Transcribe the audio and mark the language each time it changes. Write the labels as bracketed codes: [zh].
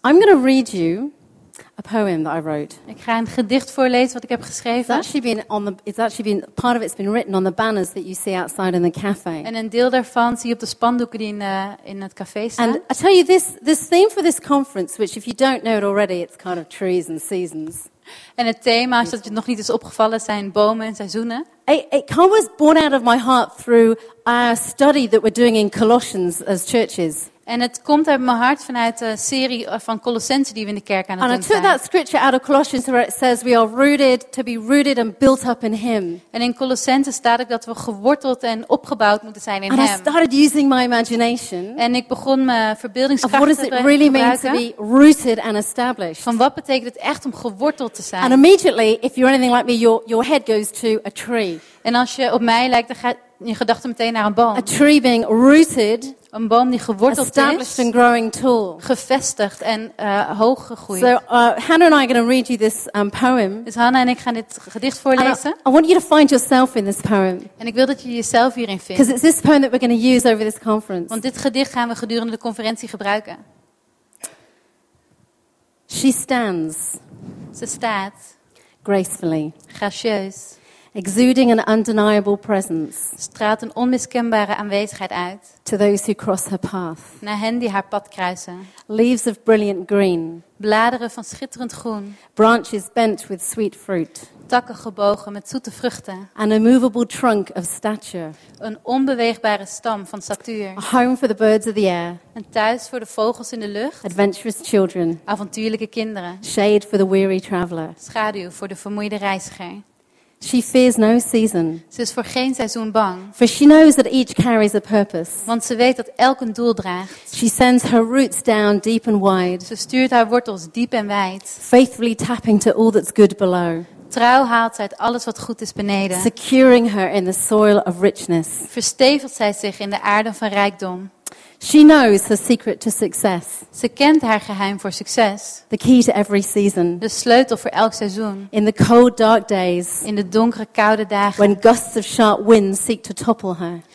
[en] I'm going to read you a poem that I wrote. [nl] Ik ga een gedicht voorlezen wat ik heb geschreven. [en] It's actually been part of it's been written on the banners that you see outside in the cafe. [nl] En een deel daarvan zie je op de spandoeken die in het café staan. [en] And I tell you this theme for this conference, which if you don't know it already, it's kind of trees and seasons. [nl] En het thema, als het nog niet is opgevallen, zijn bomen en seizoenen. [en] It was born out of my heart through our study that we're doing in Colossians as churches. [nl] En het komt uit mijn hart vanuit de serie van Colossenzen die we in de kerk aan het doen zijn. [en] And I took that scripture out of Colossians where it says we are rooted to be rooted and built up in Him. [nl] En in Colossenzen staat ook dat we geworteld en opgebouwd moeten zijn in [en] and [nl] Hem. [en] I started using my imagination. [nl] En ik begon mijn verbeeldingskracht te gebruiken. [en] What does it really mean to be rooted and established? [nl] Van wat betekent het echt om geworteld te zijn? [en] And immediately, if you're anything like me, your head goes to a tree. [nl] En als je op mij lijkt, dan gaat je gedachte meteen naar een boom. [en] A tree being rooted. [nl] Een boom die geworteld [en] established [nl] is, [en] and growing tall. [nl] Gevestigd en hoog gegroeid. [en] So Hannah and I are going to read you this poem. [nl] Dus Hannah en ik gaan dit gedicht voorlezen. [en] I want you to find yourself in this poem. [nl] En ik wil dat je jezelf hierin vindt. [en] Because it's this poem that we're going to use over this conference. [nl] Want dit gedicht gaan we gedurende de conferentie gebruiken. [en] She stands. [nl] Ze staat. [en] Gracefully. [nl] Gracieus. [en] Exuding an undeniable presence. [nl] Straalt een onmiskenbare aanwezigheid uit. [en] To those who cross her path. [nl] Naar hen die haar pad kruisen. [en] Leaves of brilliant green. [nl] Bladeren van schitterend groen. [en] Branches bent with sweet fruit. [nl] Takken gebogen met zoete vruchten. [en] An immovable trunk of stature. [nl] Een onbeweegbare stam van statuur. [en] A home for the birds of the air. [nl] Een thuis voor de vogels in de lucht. [en] Adventurous children. [nl] Avontuurlijke kinderen. [en] Shade for the weary traveler. [nl] Schaduw voor de vermoeide reiziger. [en] She fears no season. [nl] Ze is voor geen seizoen bang. [en] For she knows that each carries a purpose. [nl] Want ze weet dat elk een doel draagt. [en] She sends her roots down deep and wide. [nl] Ze stuurt haar wortels diep en wijd. [en] Faithfully tapping to all that's good below. [nl] Trouw haalt zij uit alles wat goed is beneden. [en] Securing her in the soil of richness. [nl] Verstevelt zij zich in de aarde van rijkdom. [en] She knows her secret to success. [nl] Ze kent haar geheim voor succes. [en] The key to every season. [nl] De sleutel voor elk seizoen. [en] In the cold dark days. [nl] In de donkere koude dagen. [en] When gusts of sharp winds seek to topple her.